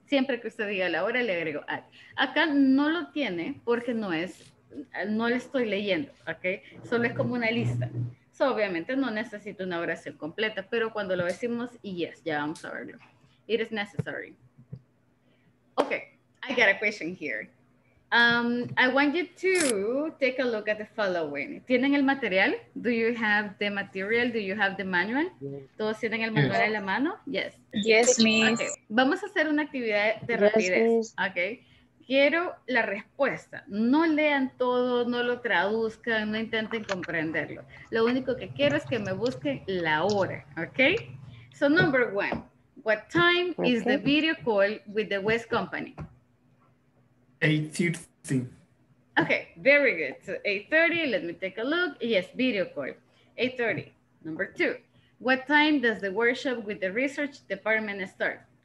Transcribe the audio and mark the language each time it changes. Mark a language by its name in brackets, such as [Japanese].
[Spanish] Siempre que usted diga la hora le agrego at. Acá no lo tiene porque no es, no le estoy leyendo, ¿ok? Solo es como una lista. So, obviamente no necesito una oración completa, pero cuando lo decimos, [English] yes, [Spanish] ya vamos a verlo. [English] It is necessary. Okay, I got a question here. I want you to take a look at the following. [Spanish] ¿Tienen el material? [English] Do you have the material? Do you have the manual? [Spanish] ¿Todos tienen el manual en la mano? [English] Yes. Yes, miss. [Spanish] Okay. Vamos a hacer una actividad de rapidez. Okay. Quiero la respuesta. No lean todo, no lo traduzcan, no intenten comprenderlo. Lo único que quiero es que me busquen la hora. [English] Okay. So number one, what time is the video call with the West Company? 8:30. Okay, very good. So 8:30, let me take a look. Yes, video call. 8:30. Number two, what time does the workshop with the research department start?